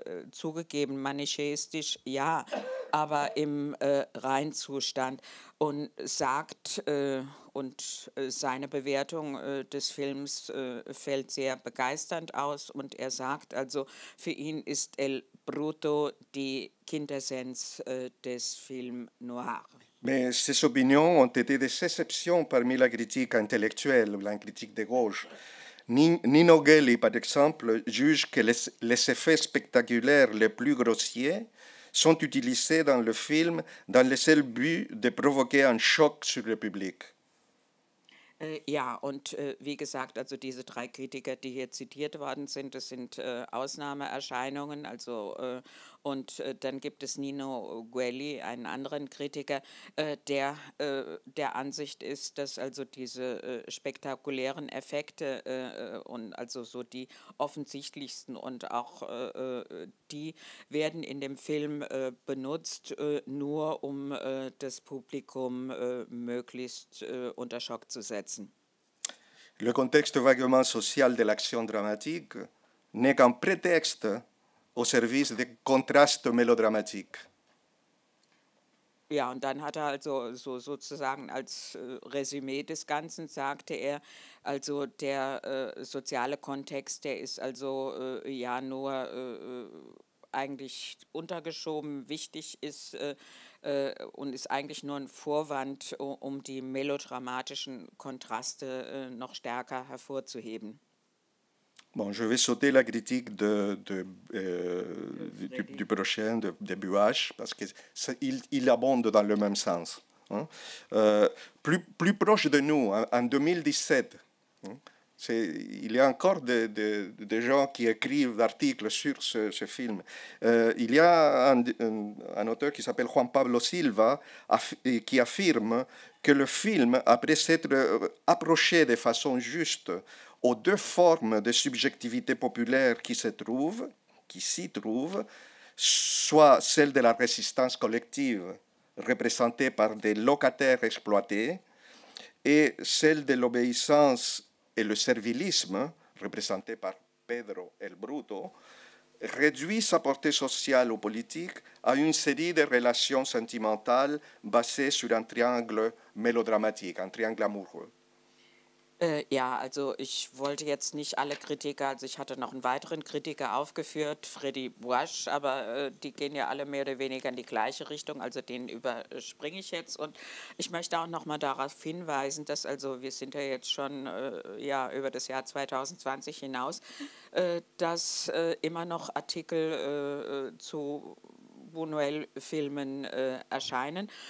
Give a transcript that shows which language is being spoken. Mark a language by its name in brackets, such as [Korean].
[German] zugegeben manichäistisch, ja, aber im Reinzustand und sagt, und seine Bewertung des Films fällt sehr begeisternd aus und er sagt, also für ihn ist El Bruto die Quintessenz des Film Noir. [French] Mais ces opinions ont été des exceptions parmi la critique intellectuelle ou la critique de gauche. Nino Gelli, par exemple, juge que les effets spectaculaires les plus grossiers sont utilisés dans le film dans le seul but de provoquer un choc sur le public. [German] Ja, und wie gesagt, also diese drei Kritiker, die hier zitiert worden sind, das sind Ausnahmeerscheinungen. Also, und dann gibt es Nino Gelli, einen anderen Kritiker, der der Ansicht ist, dass also diese spektakulären Effekte und also so die offensichtlichsten und auch die werden in dem Film benutzt, nur um das Publikum möglichst unter Schock zu setzen. [French] Le contexte vaguement social de l'action dramatique n'est qu'un prétexte au service des contrastes mélodramatiques. [German] Ja, und dann hat er also so sozusagen als Resümee des Ganzen, sagte er, also der soziale Kontext, der ist also ja nur eigentlich untergeschoben, wichtig ist und ist eigentlich nur ein Vorwand, um die melodramatischen Kontraste noch stärker hervorzuheben. [French] Bon, je vais sauter la critique du prochain, de Buache, parce que ça, il abonde dans le même sens. Hein, plus proche de nous, en 2017, hein, c'est, il y a encore des gens qui écrivent d'articles sur ce film. Il y a un auteur qui s'appelle Juan Pablo Silva qui affirme que le film, après s'être approché de façon juste aux deux formes de subjectivité populaire qui s'y trouvent, soit celle de la résistance collective représentée par des locataires exploités et celle de l'obéissance et le servilisme représenté par Pedro el Bruto, réduit sa portée sociale ou politique à une série de relations sentimentales basées sur un triangle mélodramatique, un triangle amoureux. [German] Ja, also ich wollte jetzt nicht alle Kritiker, also ich hatte noch einen weiteren Kritiker aufgeführt, Freddy Wash, aber die gehen ja alle mehr oder weniger in die gleiche Richtung, also den überspringe ich jetzt. Und ich möchte auch nochmal darauf hinweisen, dass also wir sind ja jetzt schon ja, über das Jahr 2020 hinaus, dass immer noch Artikel zu Buñuel-Filmen erscheinen.